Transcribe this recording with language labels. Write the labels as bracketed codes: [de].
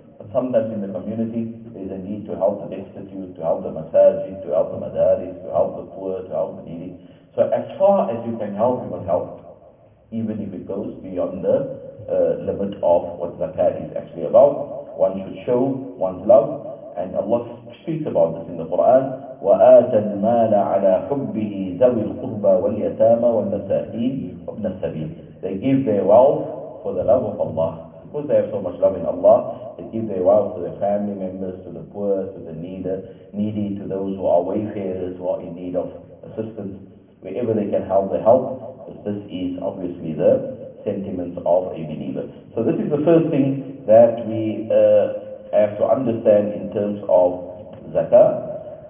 [en] But sometimes in the community, there's a need to help the destitute, to help the masajid, to help the madaris, to help the poor, to help the needy. So as far as you can help, you must help, even if it goes beyond the limit of what zakah is actually about. One should show one's love, and Allah speaks about this in the Quran. [ar] وآت المال على حبه ذوي القربى واليتامى والمساكين وابن السبيل. [en] They give their wealth for the love of Allah, Of course, they have so much love in Allah. They give their wealth to their family members, to the poor, to the needy, to those who are wayfarers, who are in need of assistance. Wherever they can help, they help. This is obviously the sentiments of a believer. So this is the first thing that we have to understand in terms of zakah.